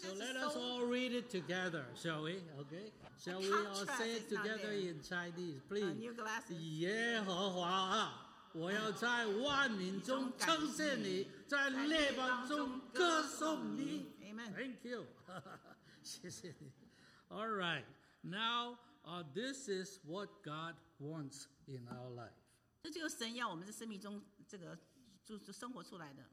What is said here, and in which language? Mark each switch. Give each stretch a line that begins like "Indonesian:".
English: So let us all read it together, shall we? Okay. Shall we all say it together in Chinese, please? New glasses.
Chinese: 耶和华，我要在万民中称谢你，在列邦中歌颂你。
English: Amen. Thank you.
Chinese: 谢谢你。
English: All right. Now, this is what God wants in our life.
Chinese: 这就是神要我们在生命中这个就生活出来的。